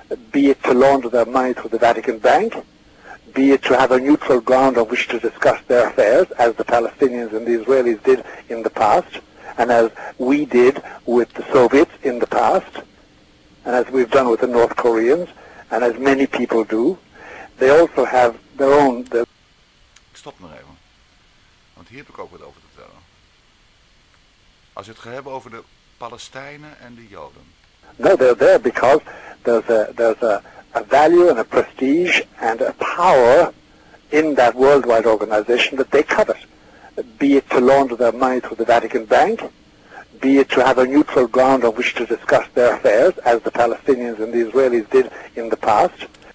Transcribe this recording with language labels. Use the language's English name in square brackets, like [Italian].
[English] Be it to launder their money through the Vatican Bank, be it to have a neutral ground on which to discuss their affairs, as the Palestinians and the Israelis did in the past, and as we did with the Soviets in the past, and as we've done with the North Koreans, and as many people do. They also have their own... [Dutch] Ik stop maar even. Want hier heb ik ook wat over te vertellen. Als je het gaat hebben over de Palestijnen en de Joden. [English] No, they're there because there's a value and a prestige and a power in that worldwide organization that they covet. Be it to launder their money through the Vatican Bank, be it to have a neutral ground on which to discuss their affairs, as the Palestinians and the Israelis did in the past.